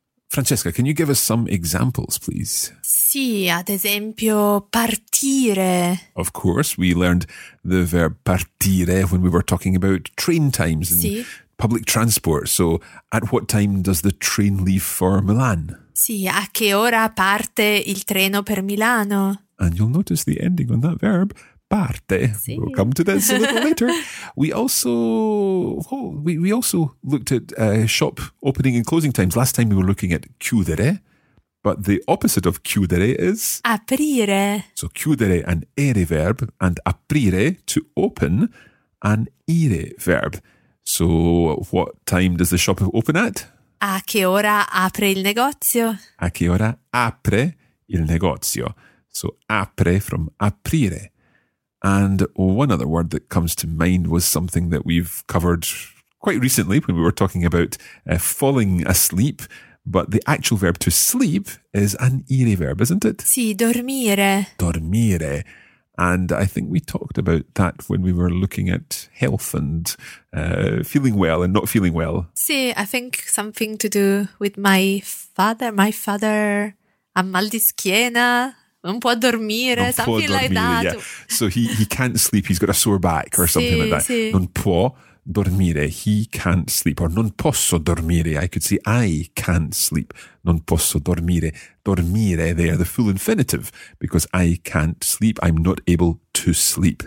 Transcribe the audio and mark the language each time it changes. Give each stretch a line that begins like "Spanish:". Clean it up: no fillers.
English: Francesca, can you give us some examples, please?
Italian: Sì, ad esempio, partire.
English: Of course, we learned the verb partire when we were talking about train times and public transport. So, at what time does the train leave for Milan?
Italian: Sì, a che ora parte il treno per Milano?
English: And you'll notice the ending on that verb. Parte. Sì. We'll come to this a little later. We also looked at shop opening and closing times. Last time we were looking at chiudere, but the opposite of chiudere is
Italian: aprire.
English: So chiudere, an ere verb, and aprire, to open, an ire verb. So what time does the shop open at?
Italian: A che ora apre il negozio? A che ora apre il negozio?
English: So apre from aprire. And one other word that comes to mind was something that we've covered quite recently when we were talking about falling asleep. But the actual verb to sleep is an ire verb, isn't it?
Italian: Sì, dormire. Dormire.
English: And I think we talked about that when we were looking at health and feeling well and not feeling well. Sì, I think something to do with my father. My father
Italian: ha mal di schiena. Un po' dormire, non
English: something
Italian: può dormire,
English: like that. Yeah. So he can't sleep, he's got a sore back or something like that.
Italian: Sì. Non può dormire,
English: he can't sleep. Or
Italian: non posso dormire,
English: I could say I can't sleep.
Italian: Non posso dormire.
English: Dormire there, the full infinitive, because I can't sleep, I'm not able to sleep.